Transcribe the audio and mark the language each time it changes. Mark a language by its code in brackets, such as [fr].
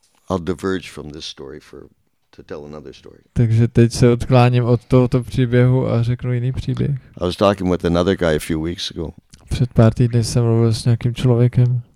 [en] I'll diverge from this story to tell another story. [cs] Takže teď se odkláním od tohoto příběhu a řeknu jiný příběh. [en] I was talking with another guy a few weeks ago. [cs] Před pár týdny jsem mluvil s nějakým člověkem.